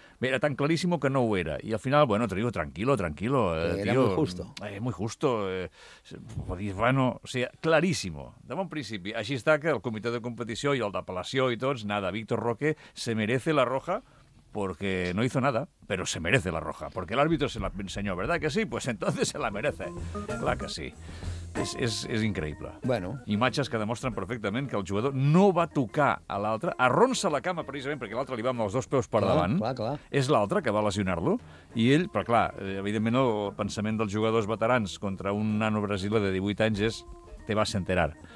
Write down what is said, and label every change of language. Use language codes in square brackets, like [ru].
[es] Era tan clarísimo que [ca] no ho era. I al final, [es] bueno, te digo, tranquilo, tío. Era muy justo. Muy justo. Bueno, o sea, clarísimo. [ca] De bon principi. Així està que el comitè de competició i el d'apel·lació i tots, [es] nada, Víctor Roque se merece la roja porque no hizo nada, pero se merece la roja. Porque el árbitro se la enseñó, ¿verdad que sí? Pues entonces se la merece. [ca] Clar que sí. És increïble. Bueno. Imatges que demostren perfectament que el jugador no va tocar a l'altre, arronsa la cama precisament perquè l'altre li va amb els dos peus per davant. Clar. És l'altre que va lesionar-lo. I ell, però clar, evidentment el pensament dels jugadors veterans contra un nano brasiler de 18 anys és [es] te vas enterar.